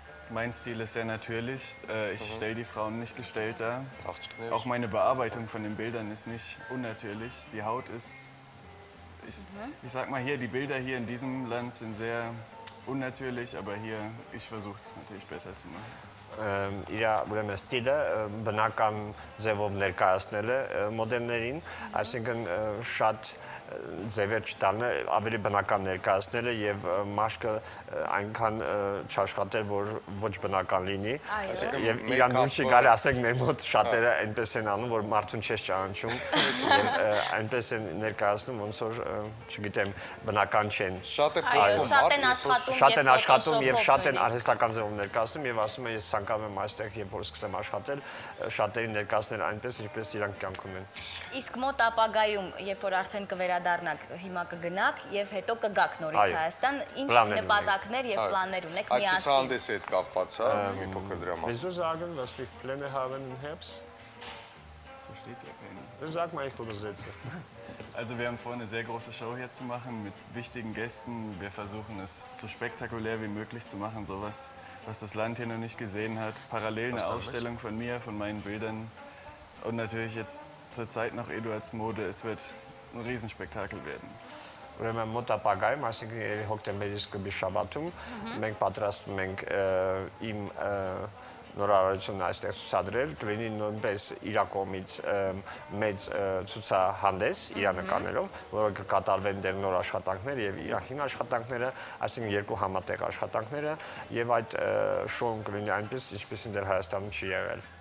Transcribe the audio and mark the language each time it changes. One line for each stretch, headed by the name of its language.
German: Mein Stil ist sehr natürlich. Ich stelle die Frauen nicht gestellt dar. Auch meine Bearbeitung von den Bildern ist nicht unnatürlich. Die Haut ist, ich sag mal hier, die Bilder hier in diesem Land sind sehr unnatürlich, aber hier, ich versuche es natürlich besser zu machen.
Armenian: Իրա ուրեմն ստիլը բնական ձևով ներկայացնել է մոդելներին, այսինքն շատ ձևեր չտանը, ավելի բնական ներկայացնել է եւ մաշկը այնքան չաշխատել, որ ոչ բնական լինի, եւ իրան դուր չի գալի, ասենք մեր մոտ շատերը այնպես են անում, որ մարդուն չես ճանաչում, եւ այնպես են ներկայացնում, ոնց որ չգիտեմ, բնական չեն։ Շատ են աշխատում եւ շատ են արհեստական ձևով ներկայացնում եւ ասում են, ես ցանկանում եմ այստեղ, երբ որ սկսեմ աշխատել, շատերին ներկայացնել այնպես, ինչպես իրանք կյանքում են։ Իսկ մոտ ապագայում, երբ որ արդեն կվերադառնաք, հիմա կգնաք եւ հետո կգաք նորից Հայաստան, ինչ նպատակներ եւ պլաններ ունեք միասին։ Այս ցուցահանդեսը հետ կապված է, մի փոքր դրա մասին։
German: Wieso sagen, was wir Pläne haben im Herbst? Versteht ihr keinen? Sag mal, ich übersetze. Also wir haben vor, eine sehr große Show hier zu machen mit wichtigen Gästen. Wir versuchen es so spektakulär wie möglich zu machen, sowas, was das Land hier noch nicht gesehen hat. Parallel eine Ausstellung von mir, von meinen Bildern und natürlich jetzt zur Zeit noch Eduards Mode. Es wird ein Riesenspektakel werden.
Armenian: Ուրեմն մոտ ապագայում, այսինքն երի հոկտեմբերի սկզբի շաբաթում, մենք պատրաստվում ենք իմ նորարարությունն այստեղ ցուցադրել, կլինի նույնպես Իրաքումից մեծ ցուցահանդես իրանկաներով, որը կկատարվեն դեր նոր աշխատանքներ եւ իրաքին աշխատանքները, այսինքն երկու համատեղ աշխատանքները, եւ այդ շոուն կլինի այնպես, ինչպես ինձ Հայաստանում չի եղել։